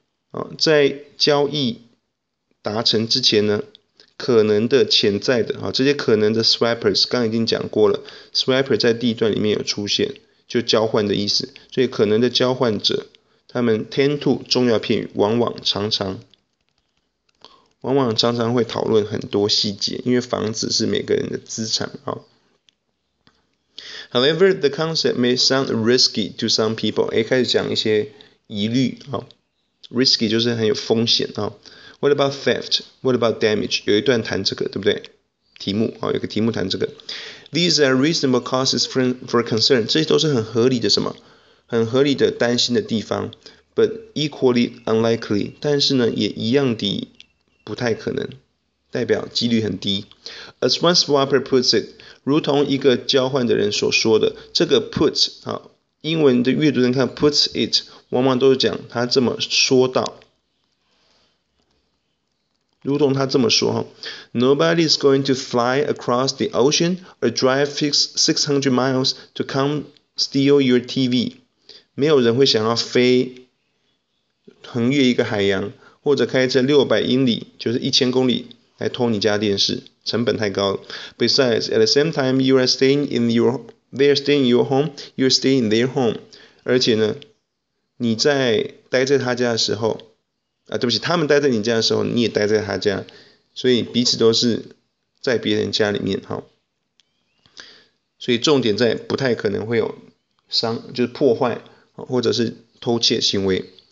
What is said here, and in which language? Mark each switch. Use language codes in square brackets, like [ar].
[zh] 啊，在交易达成之前呢，可能的潜在的啊，这些可能的 swappers 刚已经讲过了 ，swapper 在第一段里面有出现。就交换的意思，所以可能的交换者，他们 [en] tend to [zh] 重要片语，往往常常会讨论很多细节，因为房子是每个人的资产啊。 [en] However, the concept may sound risky to some people. [zh] 开始讲一些疑虑、哦、Risky 就是很有风险、哦、 [en] What about theft? What about damage? [zh] 有一段谈这个，对不对？题目、哦、有个题目谈这个。 [en] These are reasonable causes for concern. [zh] 这些都是很合理的什么？很合理的担心的地方。 [en] But equally unlikely. [zh] 但是呢，也一样的不太可能。代表几率很低。 [en] As one swapper puts it, [zh] 如同一个交换的人所说的，这个 put 啊，英文的阅读人看 puts it， 往往都是讲他这么说到，如同他这么说哈。 [en] Nobody is going to fly across the ocean or drive 600 miles to come steal your TV。 [zh] 没有人会想要飞横越一个海洋，或者开车600英里，就是1000公里。来偷你家电视，成本太高了。 [en] Besides, at the same time, you are staying in your, they are staying in your home, you are staying in their home. [zh] 而且呢，你在待在他家的时候，啊，对不起，他们待在你家的时候，你也待在他家，所以彼此都是在别人家里面，好。所以重点在不太可能会有伤，就是破坏，或者是偷窃行为。